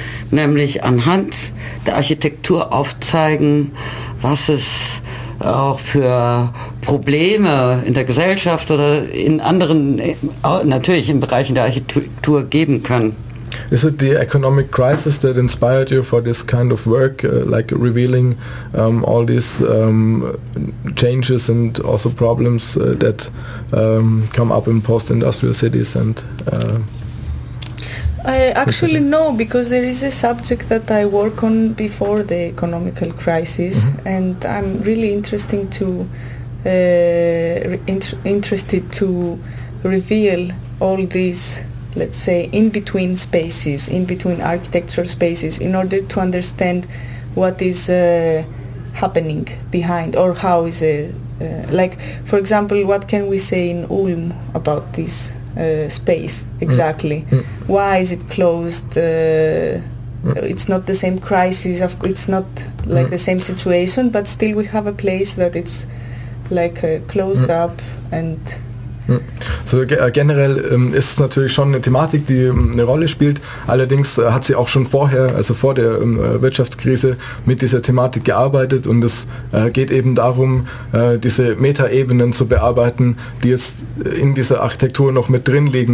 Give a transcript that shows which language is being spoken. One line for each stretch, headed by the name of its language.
German: nämlich anhand der Architektur aufzeigen, was es auch für Probleme in der Gesellschaft oder in anderen, natürlich in Bereichen der Architektur geben kann.
English: Is it the economic crisis that inspired you for this kind of work, like revealing all these changes and also problems that come up in post-industrial cities and... I actually know, because there is a subject that I work on before the economical crisis, mm-hmm. and I'm really interested to reveal all these, let's say, in-between spaces, in-between architectural spaces, in order to understand what is happening behind, or how is it, like, for example, what can we say in Ulm about this? Space exactly. Why is it closed? It's not the same crisis, of it's not like the same situation, but still we have a place that it's like closed up and
German: So generell ist es natürlich schon eine Thematik, die eine Rolle spielt. Allerdings hat sie auch schon vorher, also vor der Wirtschaftskrise, mit dieser Thematik gearbeitet. Und es geht eben darum, diese Metaebenen zu bearbeiten, die jetzt in dieser Architektur noch mit drin liegen.